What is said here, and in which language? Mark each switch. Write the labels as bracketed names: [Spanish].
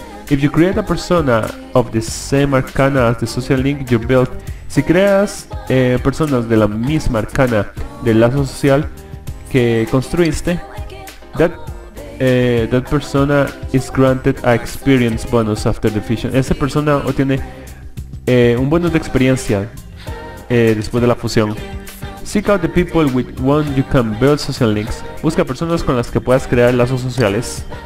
[English] If you create a persona of the same arcana as the social link you built, [Spanish] si creas personas de la misma arcana del lazo social que construiste, [English] that persona is granted a experience bonus after the fusion. [Spanish] Esa persona obtiene un bonus de experiencia después de la fusión. [English] Seek out the people with whom you can build social links. [Spanish] Busca personas con las que puedas crear lazos sociales.